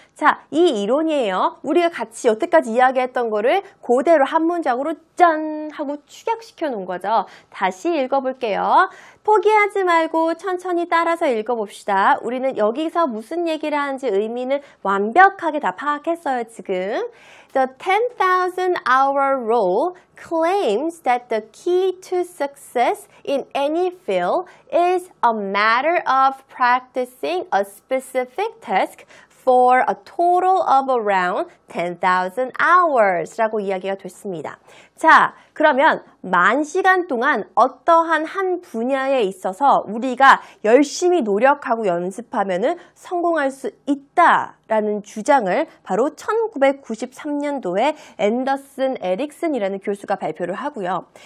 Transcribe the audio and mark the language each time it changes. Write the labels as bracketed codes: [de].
[ko] 자, 이 이론이에요. 우리가 같이 여태까지 이야기했던 거를 그대로 한 문장으로 짠 하고 축약시켜 놓은 거죠. 다시 읽어볼게요. 포기하지 말고 천천히 따라서 읽어봅시다. 우리는 여기서 무슨 얘기를 하는지 의미는 완벽하게 다 파악했어요, 지금. [en] The 10,000 hour rule claims that the key to success in any field is a matter of practicing a specific task for a total of around 10,000 hours [ko] 라고 이야기가 됐습니다. 자, 그러면 만 시간 동안 어떠한 한 분야에 있어서 우리가 열심히 노력하고 연습하면은 성공할 수 있다라는 주장을 바로 1993년도에 앤더슨 에릭슨이라는 교수가 발표를 하고요.